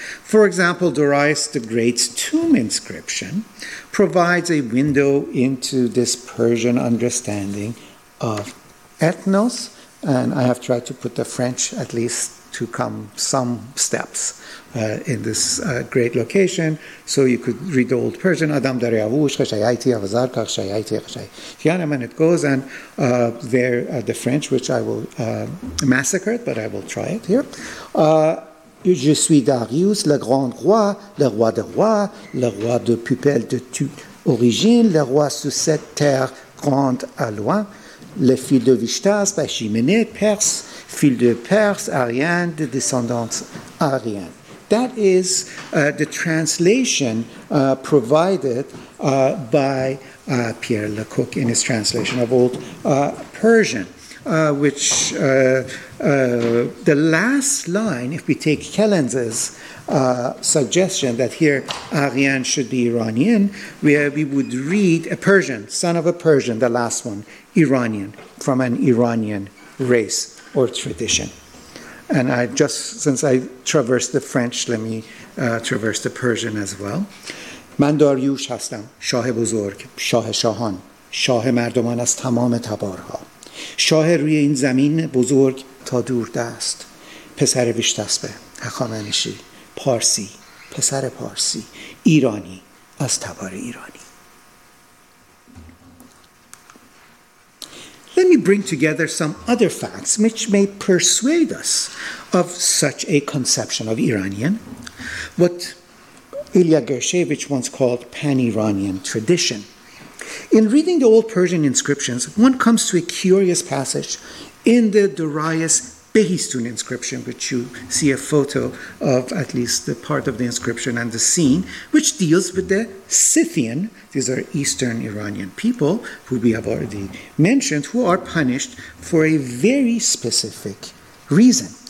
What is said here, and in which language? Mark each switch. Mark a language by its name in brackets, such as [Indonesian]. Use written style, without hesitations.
[English] For example, Darius the Great's tomb inscription provides a window into this Persian understanding of ethnos, and I have tried to put the French at least to come some steps in this great location, so you could read the old Persian. [Old Persian] Adam Dariavush, Chayayti, Avazar, Chayayti, Chayayti, [English] and it goes, and there the French, which I will massacre it, but I will try it here. [French] Je suis Darius, le grand roi, le roi de rois, le roi de pupelle de toute origine, le roi sous cette terre grande à loin, le fils de Vistas, Achaemenid, Perse, fils de Perse, Arian, de descendants Arian. [English] That is the translation provided by Pierre Lecoq in his translation of Old Persian. Which the last line, if we take Kellens's suggestion that here Arian should be Iranian, where we would read a Persian, son of a Persian, the last one, Iranian, from an Iranian race or tradition. And I just, since I traversed the French, let me traverse the Persian as well. [Persian] Man Dariush hastam, shah bozorg, shah shahan, shah mardoman az tamam tabarha. شاه روی این زمین بزرگ تا دور دست پسر ویشتسپه هخامنشی پارسی پسر پارسی ایرانی از تبار ایرانی. [English] Let me bring together some other facts which may persuade us of such a conception of Iranian, what Ilya Gershevich once called pan-Iranian tradition. In reading the old Persian inscriptions, one comes to a curious passage in the Darius Behistun inscription, which you see a photo of, at least the part of the inscription and the scene, which deals with the Scythian, these are Eastern Iranian people, who we have already mentioned, who are punished for a very specific reason.